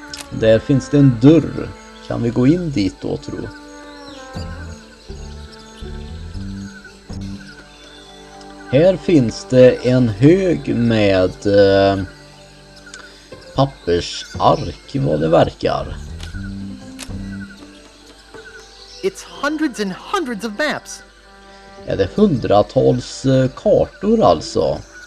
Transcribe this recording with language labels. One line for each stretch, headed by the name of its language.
Swedish: Där finns det en dörr. Kan vi gå in dit då, tro? Här finns det en hög med pappersark, vad det verkar.
English: It's hundreds and hundreds of maps.
Swedish: är det hundratals kartor alltså.